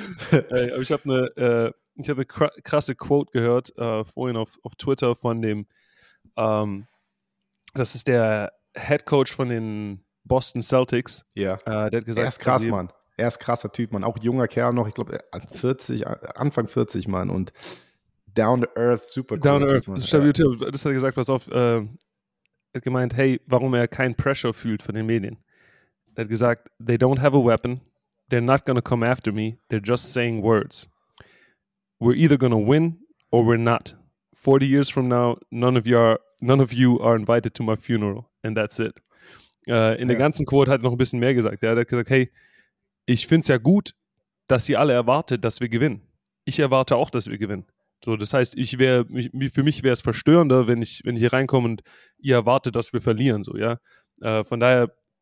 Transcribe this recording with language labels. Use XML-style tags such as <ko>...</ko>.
<de>Ey, aber ich habe eine krasse Quote gehört vorhin auf Twitter von dem, das ist der Head Coach von den Boston Celtics. Ja. Yeah. Der hat gesagt, er ist krass, Mann. Er ist krasser Typ, Mann. Auch junger Kerl noch, ich glaube, Anfang 40, Mann. Und</de> <en>down to earth,</en> <de>super cool.</de> <en>Down to earth,</en> <de>das hat er gesagt, pass auf. Er hat gemeint, hey, warum er kein Pressure fühlt von den Medien.</de> <en>Er hat gesagt, they don't have a weapon, they're not gonna come after me, they're just saying words. We're either gonna win or we're not. 40 years from now, none of you are invited to my funeral. And that's it.</en> <de>In der ganzen Quote hat er noch ein bisschen mehr gesagt. Er hat gesagt, hey, ich find's ja gut, dass ihr alle erwartet, dass wir gewinnen. Ich erwarte auch, dass wir gewinnen. So, das heißt, für mich wäre es verstörender, wenn ich hier reinkomme und ihr erwartet, dass wir verlieren. So, ja? Von daher,</de>